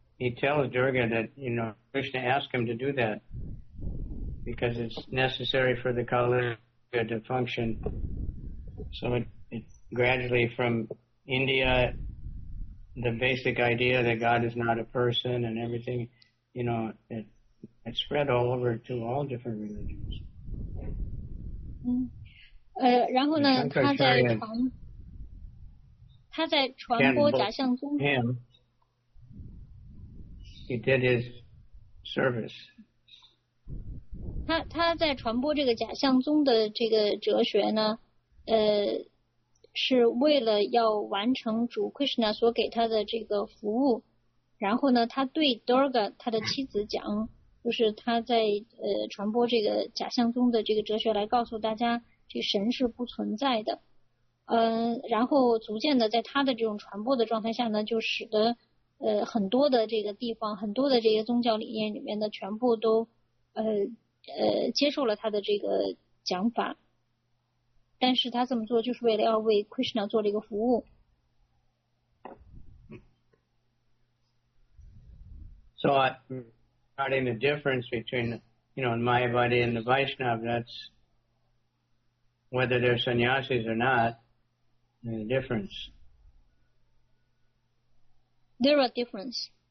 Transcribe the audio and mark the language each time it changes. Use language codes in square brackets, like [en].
[en] He tells Durga that, you know, Krishna asked him to do that because it's necessary for the Kaliyuga to function. So it gradually from India, the basic idea that God is not a person and everything, you know, it spread all over to all different religions. Mm. [zh] 然后呢，他在传播假象宗教。 [en] Him, he did his service. [zh] 他在传播这个假象宗的这个哲学呢，是为了要完成主 Krishna 所给他的这个服务。然后呢，他对 Durga 他的妻子讲，就是他在传播这个假象宗的这个哲学，来告诉大家。这神是不存在的，然后逐渐的在他的这种传播的状态下呢，就使得很多的这个地方，很多的这些宗教理念里面的全部都接受了他的这个讲法，但是他这么做就是为了要为 Krishna 做这个服务。 [en] So regarding the difference between, you know, Mayavadi and the Vaishnava, that's. Whether they're sannyasis or not, there's a difference. There are differences.